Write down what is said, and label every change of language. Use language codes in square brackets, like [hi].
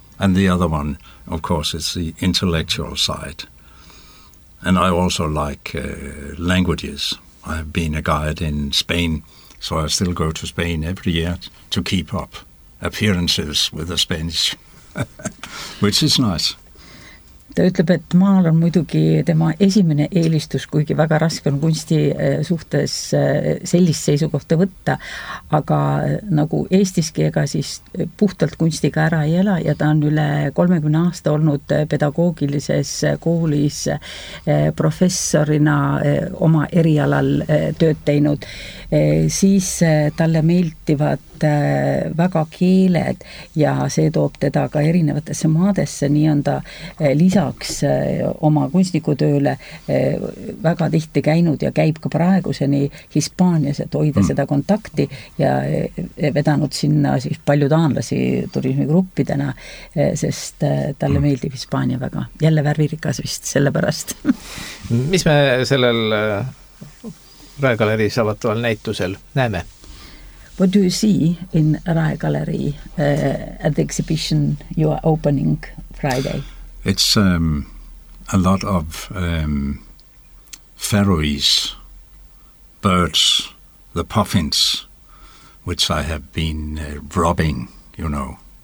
[en] And the other one, of course, is the intellectual side. And I also like languages. I have been a guide in Spain, so I still go to Spain every year to keep up appearances with the Spanish, which is nice. [et] Ta ütleb, et maal on muidugi tema esimene eelistus, kuigi väga raske on kunsti suhtes sellist seisukohta võtta, aga nagu Eestiski ega siis puhtalt kunstiga ära ei ela ja ta on üle 30 aasta olnud pedagoogilises koolis professorina oma erialal tööd teinud, siis talle meeldivad väga keeled ja see toob teda ka erinevatesse maadesse, nii on ta lisaks oma kunstnikutööle väga tihti käinud ja käib ka praeguseni Hispaanias, et hoida seda kontakti ja vedanud sinna siis palju taanlasi turismigruppidena, sest talle meeldib Hispaania väga. Jälle värvirikas vist sellepärast. Mis me sellel Raegaleris avataval näitusel näeme? [en] What do you see in Rai Gallery at the exhibition you are opening Friday? It's a lot of Faroese birds, the puffins, which I have been robbing, you know.